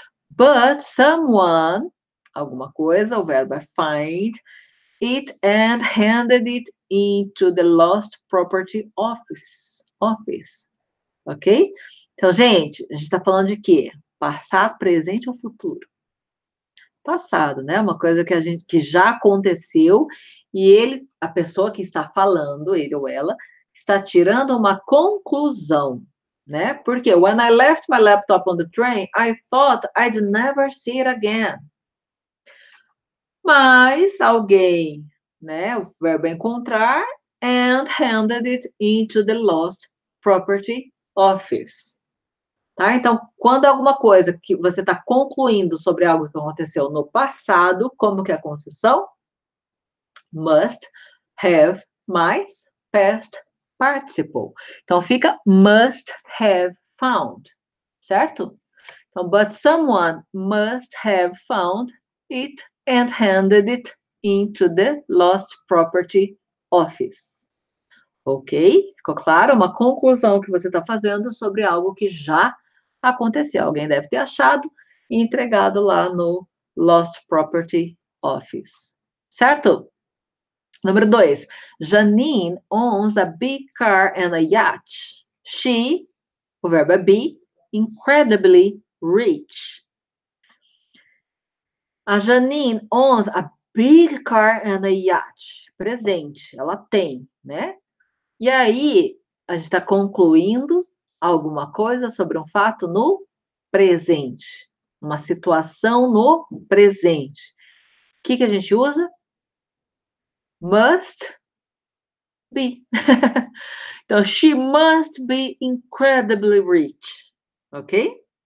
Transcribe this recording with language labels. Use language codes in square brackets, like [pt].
[en] But someone. [pt] Alguma coisa, o verbo é [en] find it and handed it into the lost property office. Ok? [pt] Então, gente, a gente está falando de quê? Passado, presente ou futuro? Passado, né? Uma coisa que a gente que já aconteceu e ele, a pessoa que está falando, ele ou ela, está tirando uma conclusão, né? Porque [en] when I left my laptop on the train, I thought I'd never see it again. [pt] Mas alguém, né? O verbo encontrar [en] and handed it into the lost property office. [pt] Tá? Então, quando alguma coisa que você está concluindo sobre algo que aconteceu no passado, como que é a construção? [en] Must have [pt] mais [en] past participle. [pt] Então, fica [en] must have found, [pt] certo? Então, [en] but someone must have found it. And handed it into the lost property office. [pt] Ok? Ficou claro? Uma conclusão que você está fazendo sobre algo que já aconteceu. Alguém deve ter achado e entregado lá no [en] lost property office. [pt] Certo? Número 2. [en] Janine owns a big car and a yacht. She, [pt] o verbo é [en] be, incredibly rich. A Janine owns a big car and a yacht. [pt] Presente, ela tem, né? E aí, a gente está concluindo alguma coisa sobre um fato no presente. Uma situação no presente. O que que a gente usa? [en] Must be. [pt] Então, [en] she must be incredibly rich. Ok?